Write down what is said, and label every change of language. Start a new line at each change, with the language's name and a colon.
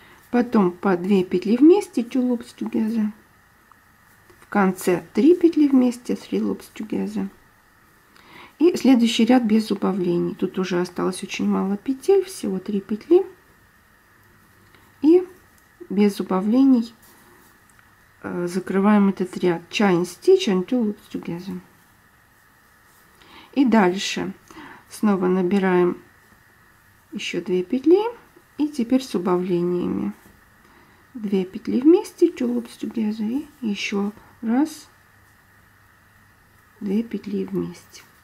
Russian: Потом по 2 петли вместе,
English: 2 loops together.
Russian: В конце 3 петли вместе,
English: 3 loops together.
Russian: И следующий ряд без убавлений. Тут уже осталось очень мало петель, всего 3 петли. И без убавлений закрываем этот ряд.
English: Chain stitch and 2 loops together.
Russian: И дальше снова набираем еще 2 петли. И теперь с убавлениями. 2 петли вместе,
English: 2 loops together,
Russian: и еще раз 2 петли вместе.